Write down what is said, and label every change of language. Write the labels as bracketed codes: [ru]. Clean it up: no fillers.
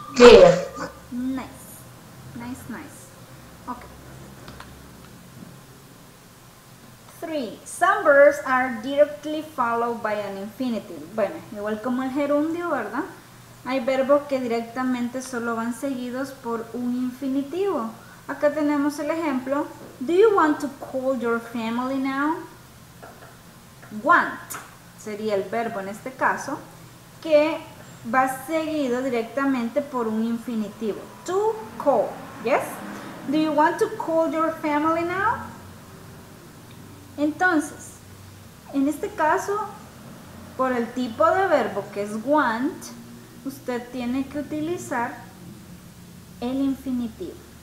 [en] Yeah. Nice. Ok. 3. Some verbs are directly followed by an infinitive. [es] Bueno, igual como el gerundio, ¿verdad? Hay verbos que directamente solo van seguidos por un infinitivo. Acá tenemos el ejemplo. [en] Do you want to call your family now? [es] Want sería el verbo en este caso, que va seguido directamente por un infinitivo. [en] To call. Yes? Do you want to call your family now? [es] Entonces, en este caso, por el tipo de verbo que es want, usted tiene que utilizar el infinitivo.